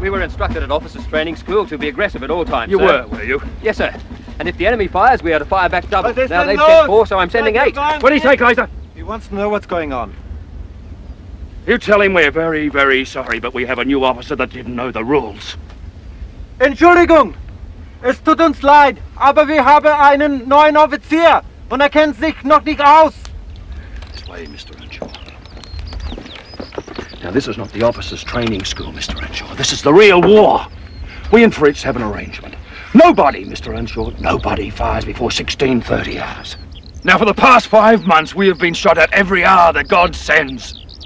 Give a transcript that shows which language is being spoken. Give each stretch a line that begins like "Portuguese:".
English: We were instructed at officers' training school to be aggressive at all times, you sir. You were you? Yes, sir. And if the enemy fires, we are to fire back double. But now, they've sent four, so I'm sending eight. What do you say, Kaiser? He wants to know what's going on. You tell him we're very, very sorry, but we have a new officer that didn't know the rules.
German: Entschuldigung! Es tut uns leid, aber wir haben einen neuen Offizier, und kennt sich noch nicht aus.
English: This way, Mr. Earnshaw. Now, this is not the officers' training school, Mr. Earnshaw. This is the real war. We in Fritz have an arrangement. Nobody, Mr. Earnshaw, nobody fires before 16:30 hours. Now, for the past 5 months, we have been shot at every hour that God sends.